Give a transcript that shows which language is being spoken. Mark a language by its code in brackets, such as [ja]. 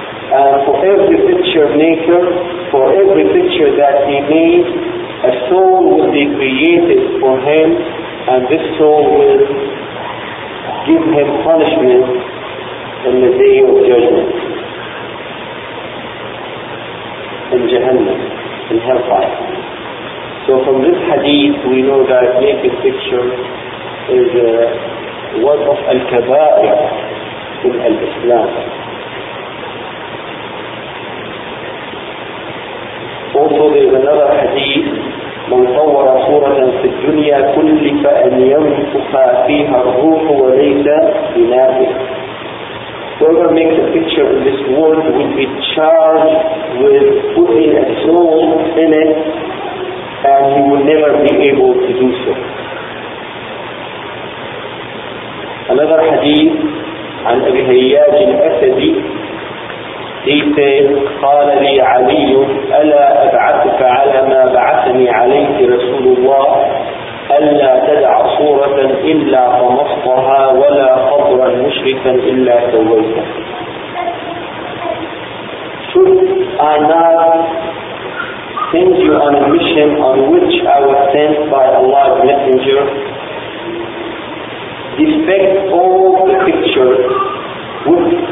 [en] And for every picture maker, for every picture that he made, a soul will be created for him, and this soul will give him punishment in the day of judgment in Jahannam, in hellfire. So from this hadith we know that naked picture is one of al-kaba'ir in al-Islam. Also there is another hadith, [ar] من صور صورة في الدنيا كلف أن ينفخ فيها الروح وليس بنافخ. [en] Whoever makes a picture in this world will be charged with putting a soul in it, and he will never be able to do so. Another hadith [ar] عن أبي هياج الأسدي. [en] He said, [ar] قال لي علي ألا أبعثك على ما بعثني عليك رسول الله ألا تدع صورة إلا قمصتها ولا قبرا مشركا إلا سويته. [en] Should I not send you on a mission on which I was sent by Allah's Messenger? Did defect all the creatures with